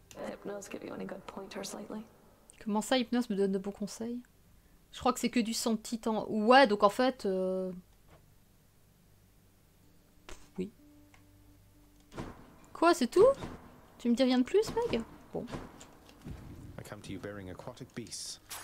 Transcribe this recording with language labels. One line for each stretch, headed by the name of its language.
English: Hypnose give you any good pointers lately?
French: Comment ça, hypnose me donne de bons conseils? Je crois que c'est que du sang de titan. Ouais, donc en fait. Quoi, c'est tout? Tu me dis rien de plus, Meg? Bon.
English: I come to you bearing aquatic beasts.